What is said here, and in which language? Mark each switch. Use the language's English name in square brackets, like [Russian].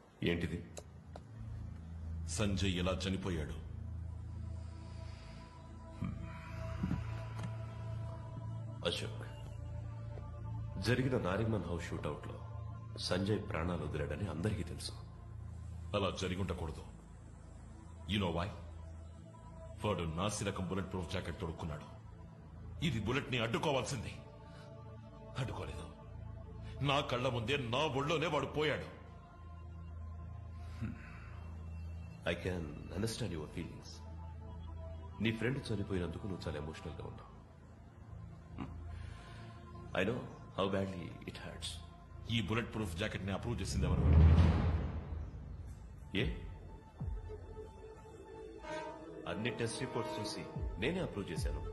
[Telugu] ఏంటిది సంజయ్ ఇలా చనిపోయాడు అశోక్ జరిగిన నారిమన్ హౌస్ షూటౌట్ లో సంజయ్ ప్రాణాలు వదిలాడని అందరికీ తెలుసు అలా జరిగి ఉండకూడదు [English] you know why [Telugu] వాడు నాసి రకం బుల్లెట్ ప్రూఫ్ జాకెట్ తొడుక్కున్నాడు ఇది బుల్లెట్ ని అడ్డుకోవాల్సింది అడ్డుకోలేదు నా కళ్ళ ముందే నా ఒళ్ళోనే వాడు పోయాడు [English] I can understand your feelings. [Telugu] నీ ఫ్రెండ్ చనిపోయినందుకు నువ్వు చాలా ఎమోషనల్ గా ఉన్నావు. [English] I know how badly it hurts. [Telugu] ఈ బుల్లెట్ ప్రూఫ్ జాకెట్ ని అప్రూవ్ చేసింది ఎవరు? ఏ అన్ని టెస్ట్ రిపోర్ట్స్ చూసి నేనే అప్రూవ్ చేశాను.